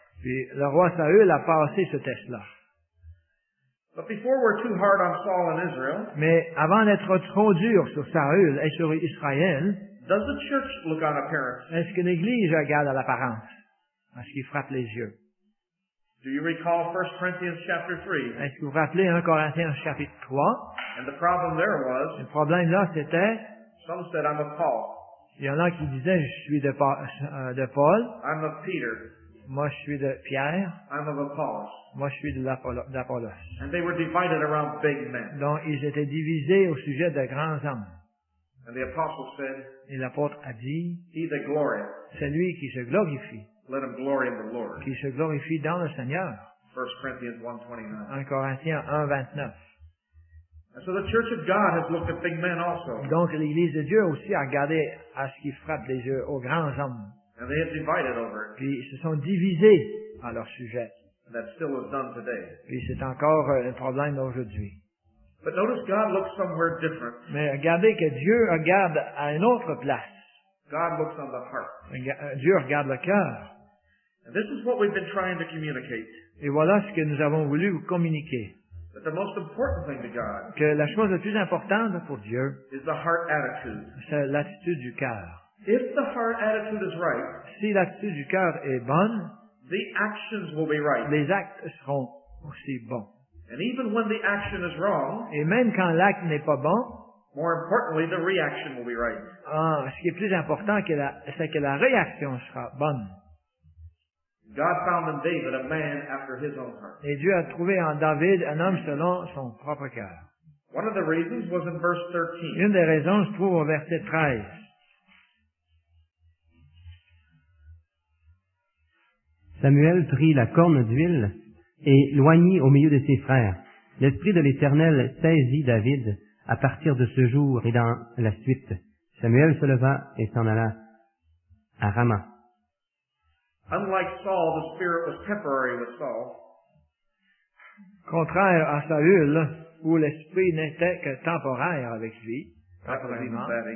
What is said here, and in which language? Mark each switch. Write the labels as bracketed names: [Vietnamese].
[French] Puis le roi Saül a passé ce test-là. [English] But before we're too hard on Saul and Israel, [French] mais avant d'être trop dur sur Saül et sur Israël, [English] does the church look on appearance? [French] Est-ce que l'Église regarde à l'apparence, à ce qui frappe les yeux? [English] Do you recall 1 Corinthians chapter 3? [French] Est-ce que vous rappelez 1 Corinthiens chapitre 3? [English] And the problem there was, [French] le problème là c'était, [English] some said I'm of Paul. [French] Il y en a qui disaient je suis de Paul. [English] I'm of Peter. [French] Moi je suis de Pierre. [English] I'm of Apollos. [French] Moi, je suis de l'Apollos. [English] And they were divided around big men. [French] Donc, ils étaient divisés au sujet de grands hommes. [English] And the apostle said, [French] et l'apôtre a dit, [English] he that glorieth, [French] celui qui se glorifie, [English] let him glory in the Lord. [French] Qui se glorifie dans le Seigneur. [English] 1 Corinthians 1:29. [French] 1 Corinthiens 1:29. [English] And so the church of God has looked at big men also. [French] Donc, l'Église de Dieu aussi a regardé à ce qui frappe les yeux aux grands hommes. [English] And they have divided over it. [French] Puis, ils se sont divisés à leur sujet. [English] That still is done today. [French] Puis c'est encore un problème d'aujourd'hui. [English] But notice God looks somewhere different. [French] Mais regardez que Dieu regarde à une autre place. [English] God looks on the heart. [French] Dieu regarde le cœur. [English] And this is what we've been trying to communicate. [French] Et voilà ce que nous avons voulu vous communiquer. [English] That the most important thing to God, [French] que la chose la plus importante pour Dieu, [English] is the heart attitude. [French] C'est l'attitude du cœur. [English] If the heart attitude is right, [French] si l'attitude du cœur est bonne, [English] the actions will be right. [French] Les actes seront aussi bons. [English] And even when the action is wrong, [French] et même quand l'acte n'est pas bon, [English] more importantly, the reaction will be right. [French] Ah, ce qui est plus important, c'est que la réaction sera bonne. [English] God found in David a man after his own heart. [French] Et Dieu a trouvé en David un homme selon son propre cœur. [English] One of the reasons was in verse 13. [French] Une des raisons se trouve au verset 13. Samuel prit la corne d'huile et l'oignit au milieu de ses frères. L'Esprit de l'Éternel saisit David à partir de ce jour et dans la suite. Samuel se leva et s'en alla à Rama. [English] Unlike Saul, the spirit was temporary with Saul. [French] Contraire à Saül, où l'esprit n'était que temporaire avec lui, temporairement.